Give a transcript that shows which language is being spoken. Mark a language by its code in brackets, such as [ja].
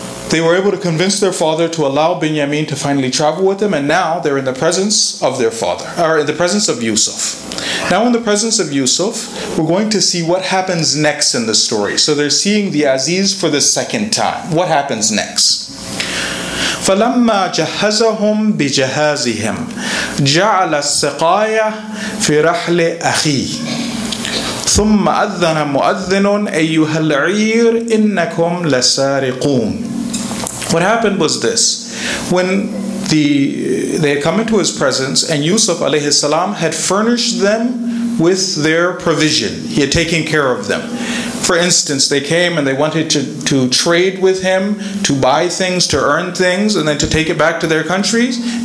[en] They were able to convince their father to allow Binyamin to finally travel with them, and now they're in the presence of their father, or in the presence of Yusuf. Now in the presence of Yusuf, we're going to see what happens next in the story. So they're seeing the Aziz for the second time. What happens next? [ar] فَلَمَّا جَهَزَهُمْ بِجَهَازِهِمْ جَعَلَ السِّقَايَةِ فِي رَحْلِ أَخِيهِ ثُمَّ أَذَّنَ مُؤَذِّنٌ أَيُّهَا الْعِيرِ إِنَّكُمْ لَسَارِقُونَ [en] What happened was this. When they had come into his presence, and Yusuf alayhi salam had furnished them with their provision. He had taken care of them. For instance, they came and they wanted to trade with him, to buy things, to earn things, and then to take it back to their countries.